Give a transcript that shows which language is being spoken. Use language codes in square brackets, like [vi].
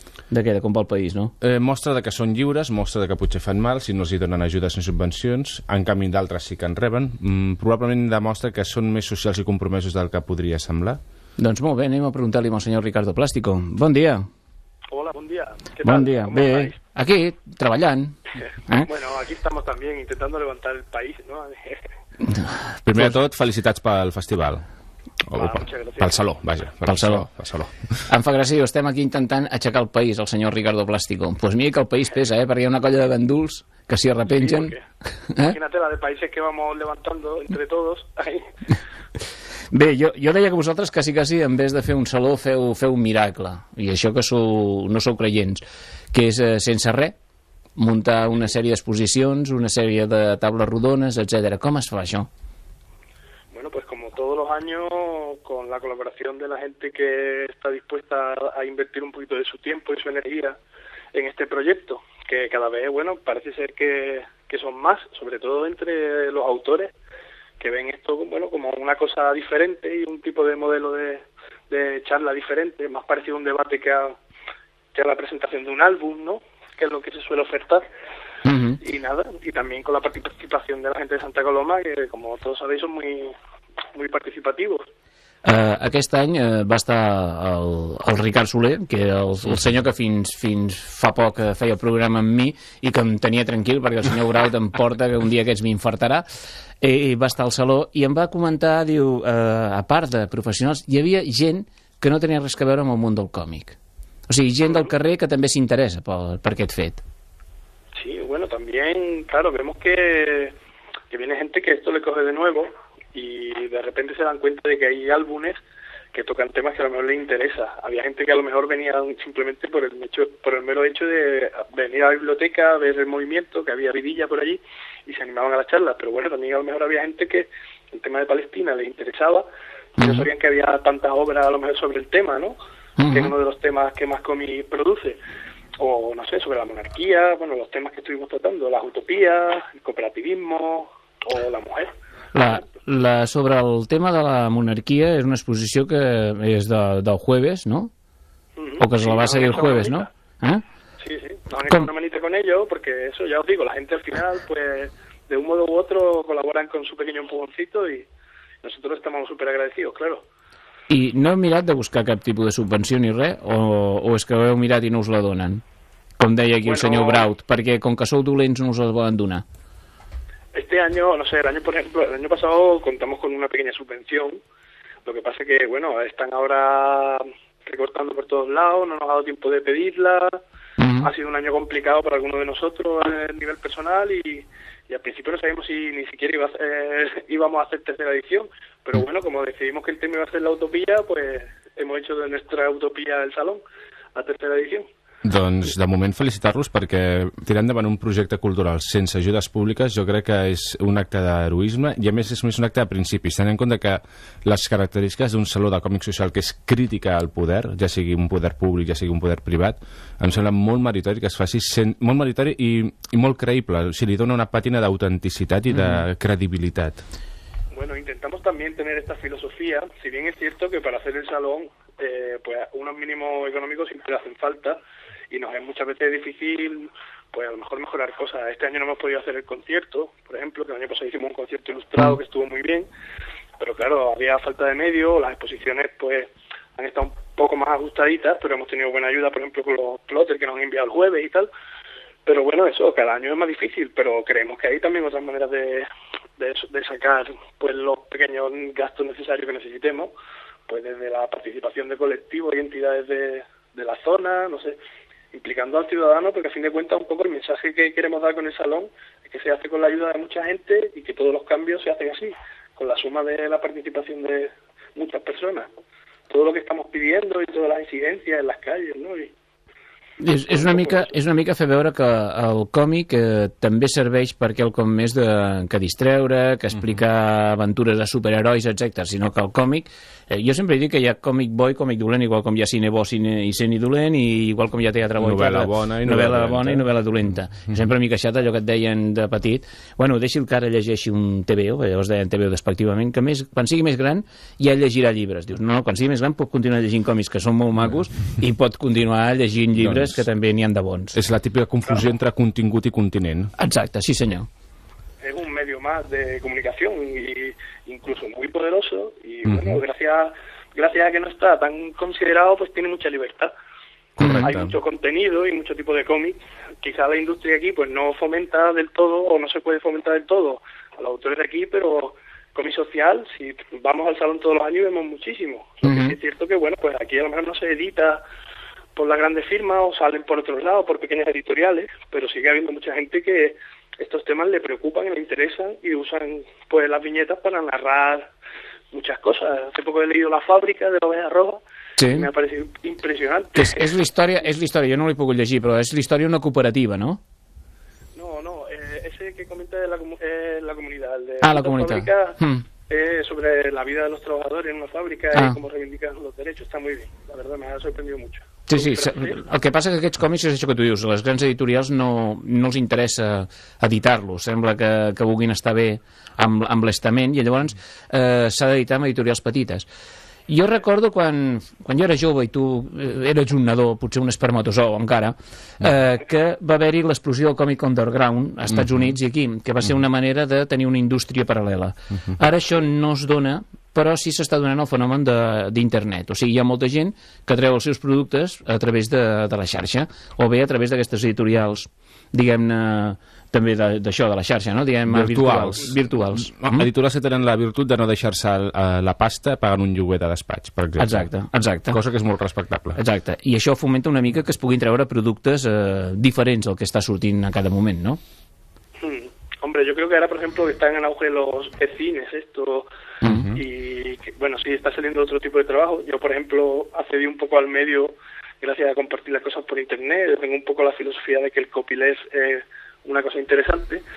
[ca] De què? De com va el país, no? Mostra de que són lliures, mostra de que potser fan mal si no els hi donen ajudes ni subvencions, en canvi d'altres sí que en reben. Probablement demostra que són més socials i compromesos del que podria semblar. Doncs molt bé, anem a preguntar-li al senyor Ricardo Plástico. Bon dia. Hola, bon dia. ¿Qué bon tal? Dia. Bé, vais? Aquí, treballant. [es] Bueno, aquí estamos también intentando levantar el país, ¿no? [ca] Primer de tot, felicitats pel festival. Pel saló, vaja. Pel saló. Em fa gràcia, estem aquí intentant aixecar el país, el senyor Ricardo Plástico. Doncs pues mira que el país pesa, perquè hi ha una colla de ganduls que s'hi arrepengen. [es] Imagínate la de países que vamos levantando entre todos. [ca] Bé, jo deia que vosaltres quasi, en vez de fer un saló, feu un miracle. I això que no sou creients, que és sense res, muntar una sèrie d'exposicions, una sèrie de taules rodones, etc. Com es fa això? [es] Bueno, pues como todos los años, con la colaboración de la gente que está dispuesta a invertir un poquito de su tiempo y su energía en este proyecto, que cada vez, bueno, parece ser que son más, sobre todo entre los autores, que ven esto, bueno, como una cosa diferente y un tipo de modelo de charla diferente, más parecido a un debate que a la presentación de un álbum, ¿no?, que es lo que se suele ofertar. Y nada, y también con la participación de la gente de Santa Coloma, que como todos sabéis son muy, muy participativos. [ca] Aquest any va estar el Ricard Soler, que era el senyor que fins fa poc feia el programa amb mi i que em tenia tranquil, perquè el senyor Grau em porta que un dia aquests m'infartarà, i va estar al saló i em va comentar, diu, a part de professionals, hi havia gent que no tenia res a veure amb el món del còmic. O sigui, gent del carrer que també s'interessa per aquest fet. [es] Sí, bueno, también, claro, vemos que viene gente que esto le coge de nuevo y de repente se dan cuenta de que hay álbumes que tocan temas que a lo mejor les interesa. Había gente que a lo mejor venía simplemente por el mero hecho de venir a la biblioteca, a ver el movimiento, que había vidilla por allí y se animaban a las charlas. Pero bueno, también a lo mejor había gente que el tema de Palestina les interesaba y no sabían que había tantas obras a lo mejor sobre el tema, ¿no? Uh-huh. Que es uno de los temas que más cómic produce. O, no sé, sobre la monarquía, bueno, los temas que estuvimos tratando, las utopías, el cooperativismo, o la mujer. [ca] Sobre el tema de la monarquía, és una exposició que és del jueves, ¿no? [es] Uh-huh. O que se la va seguir el jueves, ¿no? ¿Eh? Sí, sí, nos han hecho una manita con ello, porque eso ya os digo, la gente al final, pues, de un modo u otro, colaboran con su pequeño empujoncito y nosotros estamos súper agradecidos, claro. [ca] I no heu mirat de buscar cap tipus de subvenció ni res? O és que ho heu mirat i no us la donen? Com deia aquí, bueno, el senyor Braut, perquè com que sou dolents no us la volen donar. [es] Este año, no sé, el año pasado contamos con una pequeña subvención. Lo que pasa que, bueno, están ahora recortando por todos lados, no nos ha dado tiempo de pedirla. Uh-huh. Ha sido un año complicado para alguno de nosotros a nivel personal y al principio no sabíamos si ni siquiera íbamos a hacer tercera edición. Pero bueno, como decidimos que el tema iba a ser la utopía, pues hemos hecho de nuestra utopía el salón, la tercera edición. [ca] Doncs, de moment, felicitar-los, perquè tirar endavant un projecte cultural sense ajudes públiques jo crec que és un acte d'heroisme i, a més, és més un acte de principis. Tenint en compte que les característiques d'un saló de còmic social que és crítica al poder, ja sigui un poder públic, ja sigui un poder privat, em sembla molt meritori que es faci molt meritori i molt creïble. O sigui, li dona una pàtina d'autenticitat i de credibilitat. [es] Bueno, intentamos también tener esta filosofía, si bien es cierto que para hacer el salón pues unos mínimos económicos siempre hacen falta y nos es muchas veces difícil, pues a lo mejor mejorar cosas. Este año no hemos podido hacer el concierto, por ejemplo, que el año pasado hicimos un concierto ilustrado que estuvo muy bien, pero claro, había falta de medios, las exposiciones pues han estado un poco más ajustaditas, pero hemos tenido buena ayuda, por ejemplo, con los plotters que nos han enviado el jueves y tal. Pero bueno, eso, cada año es más difícil, pero creemos que hay también otras maneras de sacar pues los pequeños gastos necesarios que necesitemos, pues desde la participación de colectivos y entidades de la zona, no sé, implicando al ciudadano, porque a fin de cuentas un poco el mensaje que queremos dar con el salón es que se hace con la ayuda de mucha gente y que todos los cambios se hacen así, con la suma de la participación de muchas personas. Todo lo que estamos pidiendo y todas las exigencias en las calles, ¿no? [ca] És una mica fer veure que el còmic també serveix per quelcom més de, que distreure, que explicar aventures de superherois, etcètera, sinó que el còmic... jo sempre dic que hi ha còmic bo i còmic dolent, igual com hi ha cine bo cine, i cine dolent, i igual com hi ha teatre bo i novel·la bona i novel·la dolenta. Sempre m'he queixat allò que et deien de petit. Bueno, deixi'l que ara llegeixi un TVO, llavors deien TVO despectivament, que més, quan sigui més gran ja llegirà llibres. Dius, no, quan sigui més gran pot continuar llegint còmics que són molt macos i pot continuar llegint llibres que també n'hi han de bons. És la típica confusió entre contingut i continent. Exacte, sí senyor. [es] Es un medio más de comunicación y incluso muy poderoso y bueno, gracias a que no está tan considerado, pues tiene mucha libertad. Correcto. Hay mucho contenido y mucho tipo de cómics. Quizá la industria aquí pues no fomenta del todo o no se puede fomentar del todo a los autores de aquí, pero cómic social, si vamos al salón todos los años vemos muchísimo. Es cierto que bueno, pues aquí a lo mejor no se edita por las grandes firmas o salen por otros lados, por pequeñas editoriales, pero sigue habiendo mucha gente que estos temas le preocupan y le interesan y usan pues las viñetas para narrar muchas cosas. Hace poco he leído La fábrica de la Oveja Roja. Sí. Me ha parecido impresionante. Es la historia, yo no lo he podido leer, pero es la historia de una cooperativa, ¿no? No, ese que comenta es la comunidad. El de la comunidad. La fábrica sobre la vida de los trabajadores en una fábrica y cómo reivindican los derechos. Está muy bien, la verdad me ha sorprendido mucho. Sí, sí. [ca] El que passa és que aquests còmics és això que tu dius, les grans editorials no els interessa editar-los, sembla que vulguin estar bé amb l'estament, i llavors s'ha d'editar amb editorials petites. Jo recordo quan jo era jove i tu eres un nadó, potser un espermatozou encara, que va haver-hi l'explosió del còmic underground als Estats Units i aquí, que va ser una manera de tenir una indústria paral·lela. Ara això no es dona, però sí s'està donant el fenomen d'internet. O sigui, hi ha molta gent que treu els seus productes a través de la xarxa, o bé a través d'aquestes editorials, diguem-ne, també d'això, de la xarxa, no? Diguem, virtuals. Editorials que tenen la virtut de no deixar-se la pasta pagant un lloguer de despatx, per exemple. Exacte. Cosa que és molt respectable. Exacte. I això fomenta una mica que es puguin treure productes diferents del que està sortint a cada moment, no? [es] Hombre, yo creo que ahora, por ejemplo, están en auge los e-cines, esto... Y que, bueno, sí, está saliendo otro tipo de trabajo. Yo, por ejemplo, accedí un poco al medio gracias a compartir las cosas por internet. Yo tengo un poco la filosofía de que el copyleft es una cosa interesante.